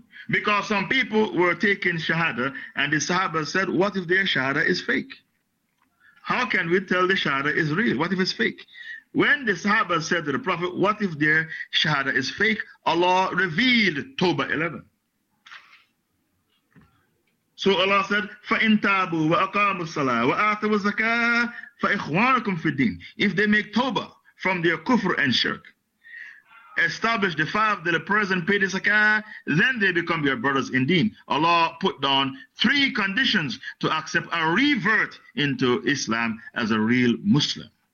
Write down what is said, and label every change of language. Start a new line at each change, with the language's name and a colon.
English: Because some people were taking shahada, and the sahaba said, what if their shahada is fake? How can we tell the shahada is real? What if it's fake? When the sahaba said to the Prophet, what if their shahada is fake? Allah revealed Tawbah 11. So Allah said,
Arabic: فَإِنْ تَابُوا وَأَقَامُوا الصَّلَاةَ وَآتَوُوا الزَّكَاةَ فَإِخْوَانَكُمْ فِي الدِّينِ.
English: If they make Tawbah from their kufr and shirk, establish the 5-day prayers and pay the zakah, then they become your brothers in deen. Allah put down 3 conditions to accept a revert into Islam as a real Muslim.